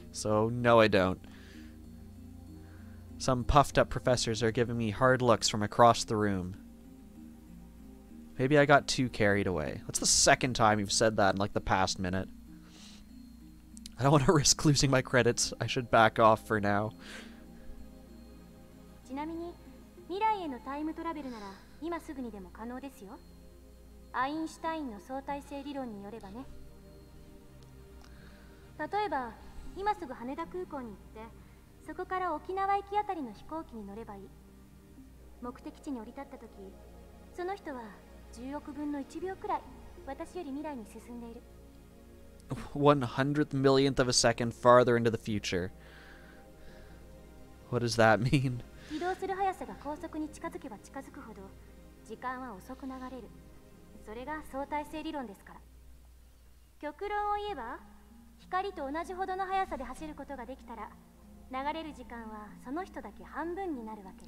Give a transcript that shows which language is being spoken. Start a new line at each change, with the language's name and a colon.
English: So, no, I don't. Some puffed up professors are giving me hard looks from across the room. Maybe I got too carried away. That's the second time you've said that in like the past minute. I don't want to risk losing my credits. I should back off for now.
Japanese: ちなみに、未来へのタイムトラベルなら今すぐにでも可能ですよ。アインシュタインの相対性理論によればね。例えば、今すぐ羽田空港に行って、そこから沖縄行きあたりの飛行機に乗ればいい。目的地に降り立ったとき、その人は10億分の1秒くらい私より未来に進んでいる。
English: 100th millionth of a second farther into the future. What does that mean?
Japanese: 移動する速さが高速に近づけば近づくほど時間は遅く流れる。それが相対性理論ですから。極論を言えば、光と同じほどの速さで走ることができたら、流れる時間はその人だけ半分になるわけ。